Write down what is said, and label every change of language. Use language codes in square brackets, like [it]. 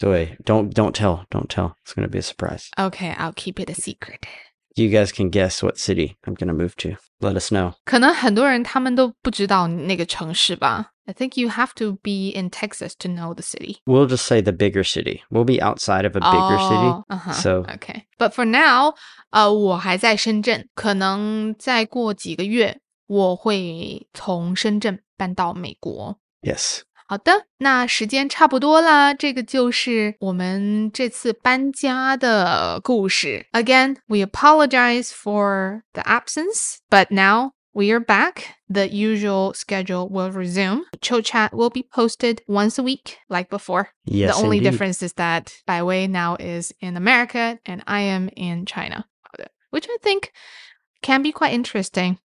[zh] 对， [en] don't tell, it's gonna be a surprise. Okay, I'll keep it a secret. You guys can guess what city I'm gonna move to. Let us know. [zh] 可能很多人他们都不知道那个城市吧。 [en] I think you have to be in Texas to know the city. We'll just say the bigger city. We'll be outside of a bigger city. So, okay. But for now, [zh] 我还在深圳，可能再过几个月，我会从深圳搬到美国。 [en] Yes. [zh] 好的，那时间差不多了，这个就是我们这次搬家的故事。 [en] Again, we apologize for the absence, but now we are back. The usual schedule will resume. Chill Chat will be posted once a week, like before. Yes, the only、 indeed. difference is that Bai Wei now is in America and I am in China, which I think can be quite interesting.